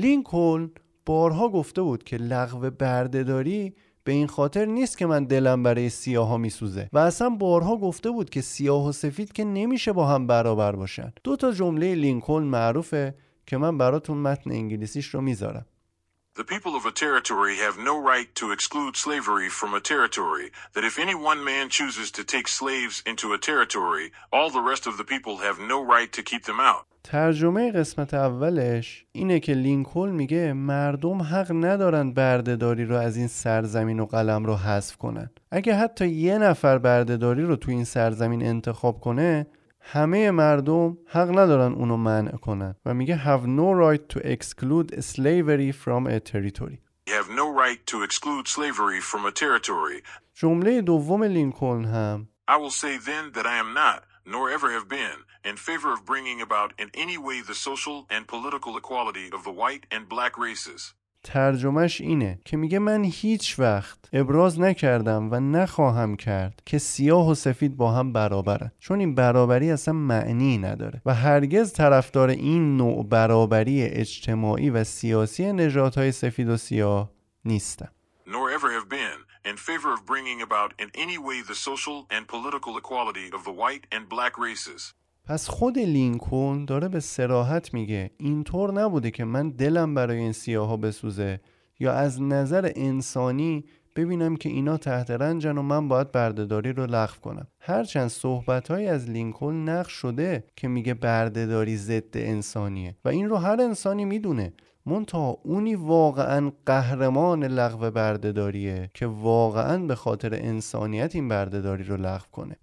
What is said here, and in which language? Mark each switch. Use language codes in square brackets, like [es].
[fa] لینکلن بارها گفته بود که لغو برده‌داری به این خاطر نیست که من دلم برای سیاها میسوزه، و اصلا بارها گفته بود که سیاه و سفید که نمیشه با هم برابر باشن. دو تا جمله لینکلن معروفه که من براتون متن انگلیسیش رو میذارم. [en] The people of a territory have no right to exclude slavery from a territory, that if any one man chooses to take slaves into a territory, all the rest of the people have no right to keep them out. [fa] ترجمه قسمت اولش اینه که لینکلن میگه مردم حق ندارن بردهداری رو از این سرزمین و قلم رو حذف کنن. اگه حتی یه نفر بردهداری رو تو این سرزمین انتخاب کنه، همه مردم حق ندارن اونو منع کنن. و میگه [en] have no right to exclude slavery from a territory. Have no right to exclude slavery from a territory. [fa] جمله دوم لینکلن هم [en] I will say then that I am not nor ever have been in favor of bringing about in any way the social and political equality of the white and black races. [fa] ترجمهش اینه که میگه من هیچ وقت ابراز نکردم و نخواهم کرد که سیاه و سفید با هم برابرن، چون این برابری اصلا معنی نداره و هرگز طرفدار این نوع برابری اجتماعی و سیاسی نژادهای سفید و سیاه نیستم. [en] Nor ever have been in favor of bringing about in any way the social and political equality of the white and black races. [fa] پس خود لینکلن داره به صراحت میگه اینطور نبوده که من دلم برای این سیاها بسوزه یا از نظر انسانی ببینم که اینا تحت رنجن و من باید بردهداری رو لغو کنم. هرچند صحبتهایی از لینکلن نقش شده که میگه بردهداری ضد انسانیه و این رو هر انسانی میدونه، منتها اونی واقعا قهرمان لغو بردهداریه که واقعا به خاطر انسانیت این بردهداری رو لغو کنه.